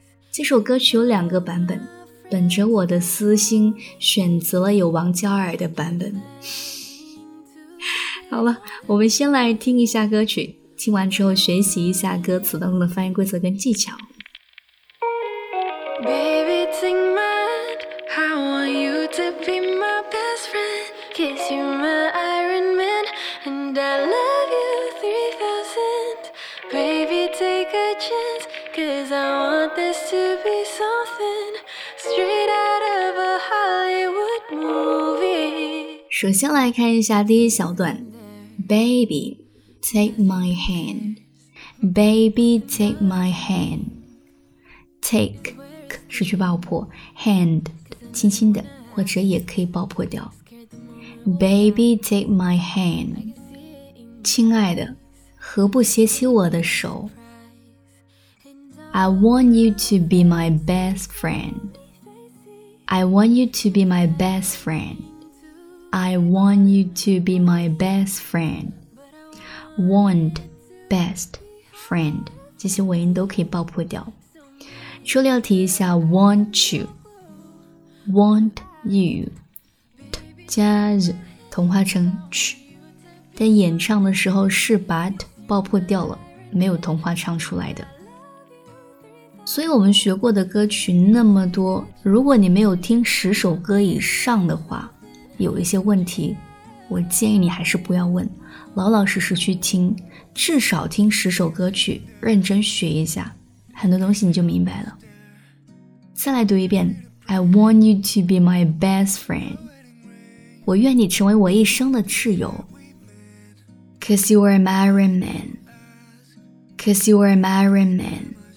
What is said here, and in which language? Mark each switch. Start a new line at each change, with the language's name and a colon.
Chinese: 这首歌曲有两个版本，本着我的私心选择了有王嘉尔的版本。好了，我们先来听一下歌曲，听完之后学习一下歌词当中的发音规则跟技巧。
English: Baby, it's in mind. I want you to be my best friend. Kiss you my Iron Man. And I love you 3000. Baby, take a chance. Cause I want this to be something straight out of a Hollywood movie.
Chinese: 首先来看一下第一小段。
English: Baby, take my hand. Baby, take my hand.
Chinese: Take 是去爆破， hand 轻轻的，或者也可以爆破掉。
English: Baby, take my hand.
Chinese: 亲爱的，何不携起我的手？
English: I want you to be my best friend. I want you to be my best friend. I want you to be my best friend. Want, best, friend.
Chinese: 这些尾音都可以爆破掉。这里要提一下
English: want you. Want you.
Chinese: T 加 z 同化成 ch. 但演唱的时候是把 t 爆破掉了，没有同化唱出来的。所以我们学过的歌曲那么多，如果你没有听十首歌以上的话，有一些问题我建议你还是不要问，老老实实去听，至少听十首歌曲，认真学一下，很多东西你就明白了。再来读一遍，
English: I want you to be my best friend.
Chinese: 我愿你成为我一生的挚友。
English: Cause you are my Iron Man. Cause you are my Iron Man.